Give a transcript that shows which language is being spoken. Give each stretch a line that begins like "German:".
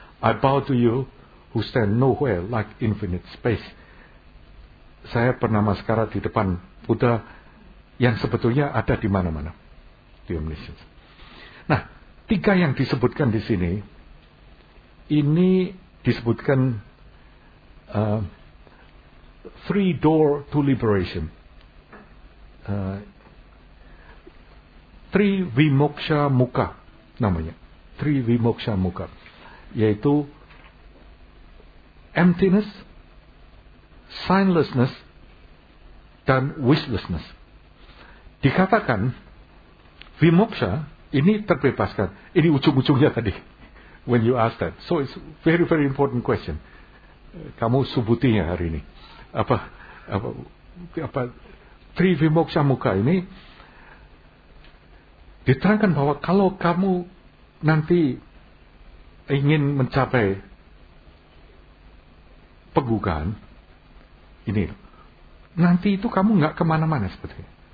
English: I bow to you who stand nowhere like infinite space.
Indonesian: Saya pernah maskara di depan Buddha yang sebetulnya ada di mana-mana.
English: The omniscience.
Indonesian: Nah, tiga yang disebutkan di sini, ini disebutkan
English: three door to liberation.
Indonesian: Three vimoksha muka namanya. Three vimoksha muka. Yaitu emptiness, signlessness, dan wishlessness. Dikatakan vimoksha ini terbebaskan. Ini ujung-ujungnya tadi.
English: When you ask that. So it's very, very important question.
Indonesian: Kamu subutinya hari ini. Apa tri vimoksha muka ini diterangkan bahwa kalau kamu nanti ingin mencapai pegugahan ini, nanti itu kamu enggak kemana-mana sebetulnya.